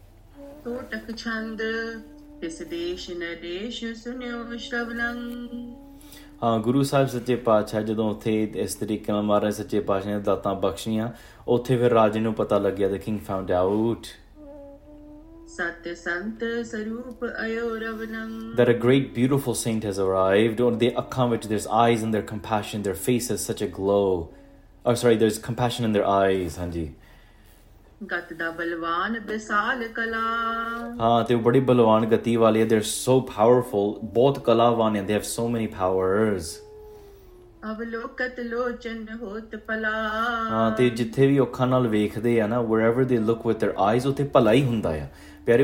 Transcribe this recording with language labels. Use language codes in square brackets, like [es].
[pa] sunyo shravanam. ਹਾਂ ਗੁਰੂ ਸਾਹਿਬ ਸੱਚੇ ਪਾਤਸ਼ਾਹ ਜਦੋਂ ਉੱਥੇ ਇਸ ਤਰੀਕੇ ਨਾਲ ਮਹਾਰਾਜ ਸੱਚੇ ਪਾਤਸ਼ਾਹ ਨੇ ਦਾਤਾਂ ਬਖਸ਼ੀਆਂ, ਉੱਥੇ ਫਿਰ ਰਾਜੇ ਨੂੰ ਪਤਾ ਲੱਗਿਆ, [en] the king found out [pa] ਸਤਿ ਸੰਤ ਸਰੂਪ ਆਇਓ ਰਵਨੰ [en] that a great beautiful saint has arrived, on their akhaan which there's eyes and their compassion, their face has such a glow. Oh sorry, there's compassion in their eyes, hanji. [pa] ਗਤ ਦਾ ਬਲਵਾਨ ਬਿਸਾਲ ਕਲਾ ਹਾਂ ਤੇ ਉਹ ਬੜੀ ਬਲਵਾਨ ਗਤੀ ਵਾਲੀ ਹੈ, [en] they are so powerful, [pa] ਬਹੁਤ ਕਲਾਵਾਨ ਹੈ, [en] they have so many powers [pa] ਅਵਲੋਕਤ ਲੋਚਨ ਹੋਤ ਪਲਾ ਹਾਂ ਤੇ ਜਿੱਥੇ ਵੀ ਅੱਖਾਂ ਨਾਲ ਵੇਖਦੇ ਆ ਨਾ, [en] wherever they look with their eyes, [pa] ਉੱਥੇ ਭਲਾ ਹੀ ਹੁੰਦਾ ਆ ਪਿਆਰੇ.